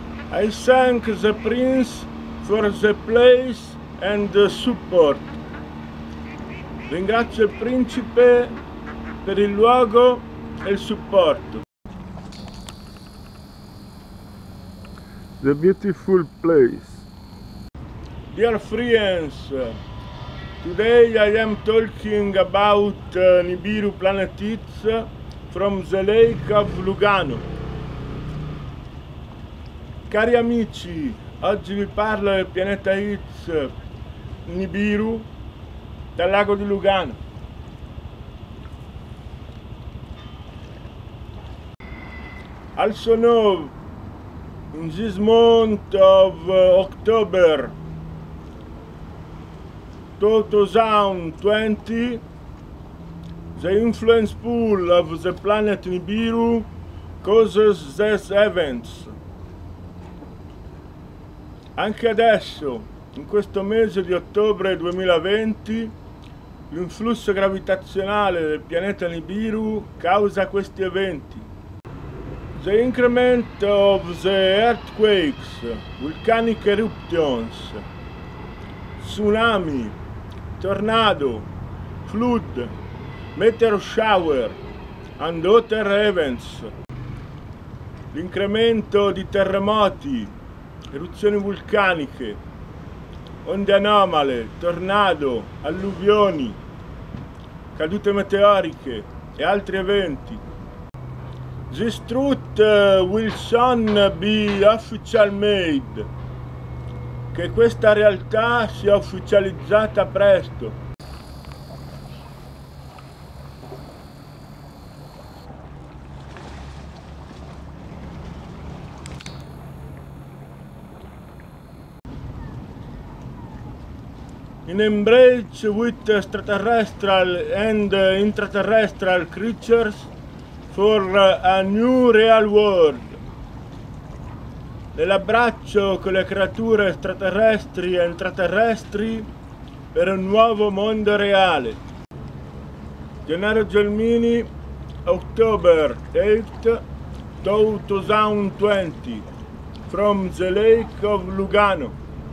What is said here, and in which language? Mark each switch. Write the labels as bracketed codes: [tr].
[en] I thank the prince for the place and the support. [it] Ringrazio il principe per il luogo e il supporto. [en] The beautiful place. Dear friends, today I am talking about Nibiru Planet Hits from the Lake of Lugano. [it] Cari amici, oggi vi parlo del pianeta Hits Nibiru dal lago di Lugano. [en] Also now, in this month of October 2020, the influence pool of the planet Nibiru causes these events. [it] Anche adesso, in questo mese di ottobre 2020, l'influsso gravitazionale del pianeta Nibiru causa questi eventi. [en] The increment of the earthquakes, volcanic eruptions, tsunami, tornado, flood, meteor shower and other events. [it] L'incremento di terremoti, eruzioni vulcaniche, onde anomale, tornado, alluvioni, cadute meteoriche e altri eventi. [en] This truth will soon be official made. [it] Che questa realtà sia ufficializzata presto. [en] In embrace with extraterrestrial and intraterrestrial creatures for a new real world. [it] Nell'abbraccio con le creature extraterrestri e intraterrestri per un nuovo mondo reale. [en] Gennaro Gelmini, October 8, 2020, from the Lake of Lugano.